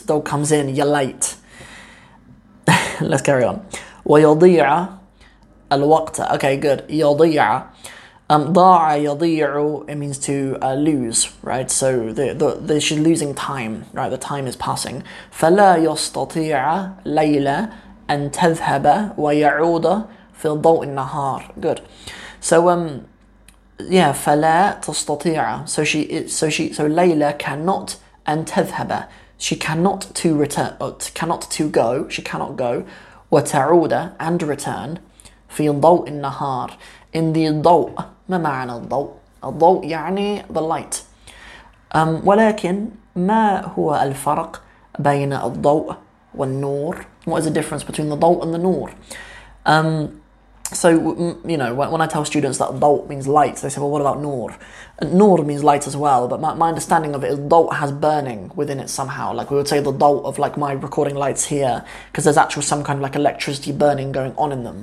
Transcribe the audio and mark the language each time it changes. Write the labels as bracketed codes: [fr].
[en] The dog comes in, you're late. Let's carry on. [ar] ويضيع الوقت. [en] Okay, good. يضيع. ضاع يضيع, it means to lose, right? So they're losing time, right? The time is passing. [ar] فلا يستطيع ليلى أن تذهب ويعود في ضوء النهار. [en] Good. So yeah, [ar] فلا تستطيع. [en] So ليلى cannot [ar] أن تذهب. [en] She cannot to return. Cannot to go. She cannot go. [ar] وتعود [en] and return. [ar] في ضوء النهار. [en] In the ضوء. [ar] ما معنى الضوء؟ الضوء يعني [en] the light. [ar] ولكن ما هو الفرق بين الضوء والنور؟ [en] What is the difference between the ضوء and the [ar] نور? [en] So, you know, when I tell students that ضوء means light, they say, well, what about نور? نور means light as well, but my understanding of it is ضوء has burning within it somehow. Like we would say the ضوء of like my recording lights here, because there's actually some kind of like electricity burning going on in them.